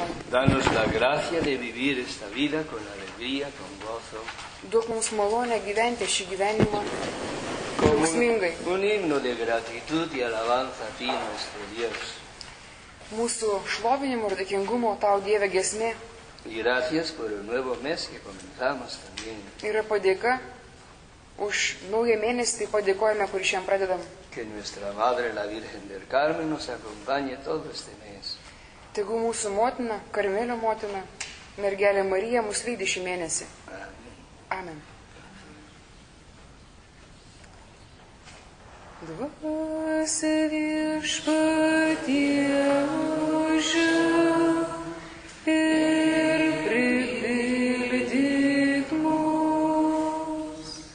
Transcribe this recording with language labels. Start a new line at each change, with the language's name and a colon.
Spanish: Danos la gracia de vivir esta vida con alegría, con gozo.
Lithuanian: Duok mums malonę gyventi šį gyvenimą džiaugsmingai.
Spanish: Un himno de gratitud y alabanza a ti, nuestro Dios.
Lithuanian: Mūsų šlovinimo ir dėkingumo tau, Dieve, giesmė.
Spanish: Y gracias por el nuevo mes que comenzamos también.
Lithuanian: Yra padėka už naują mėnesį, tai padėkojame, kurį šiandien pradedam.
Spanish: Que nuestra madre, la Virgen del Carmen, nos acompañe todo este mes.
Lithuanian: Tegu mūsų motina, Karmelio motina, mergelė Marija, mus lydi šį mėnesį. Amen. Dvasė viešpatie užė ir pripildyk mus.